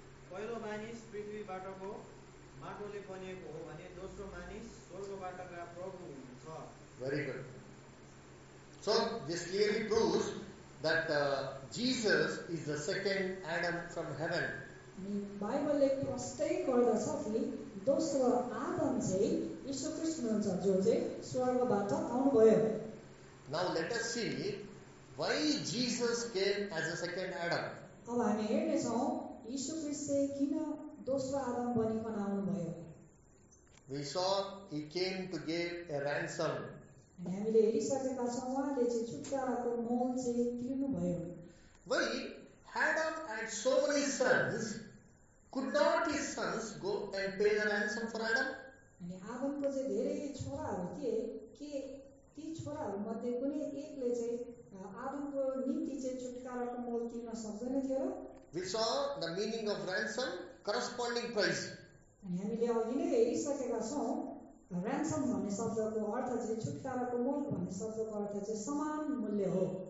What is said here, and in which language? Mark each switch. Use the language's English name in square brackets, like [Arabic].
[Nepali] पहिलो मानिस पृथ्वीबाटको माटोले बनिएको हो भने दोस्रो मानिस स्वर्गबाटका प्रभु हुनुहुन्छ [English] Very good. So this clearly proves that Jesus is the second Adam from heaven. [Nepali] बाइबलले प्रष्टै गर्दछ कि दोस्रो आदम चाहिँ यीशु ख्रीष्ट हुनुहुन्छ जो चाहिँ स्वर्गबाट आउनुभयो [English] Now let us see why Jesus came as a second Adam. [Nepali] अब हामी हेर्नेछौँ यीशु ख्रीष्टले किन दोस्रो आदम बनिकन आउनुभयो [English] We saw he came to give a ransom. [Nepali] हामीले हेरिसकेका छौँ उहाँले चाहिँ छुटकाराको मोल चाहिँ तिर्नुभयो [English] Why Adam had so many sons. Could not his sons go and pay the ransom for Adam? [Nepali] अनि आदमको चाहिँ धेरै छोराहरू थिए कि ती छोराहरू मध्ये कुनै एकले चाहिँ आदमको निम्ति चाहिँ छुटकाराको मोल तिर्न सक्दैन थियो र [English] We saw the meaning of ransom, corresponding price. [Nepali] अनि हामीले अघि नै हेरिसकेका छौँ ransom भन्ने शब्दको अर्थ चाहिँ छुटकाराको मोल भन्ने शब्दको अर्थ चाहिँ समान मूल्य हो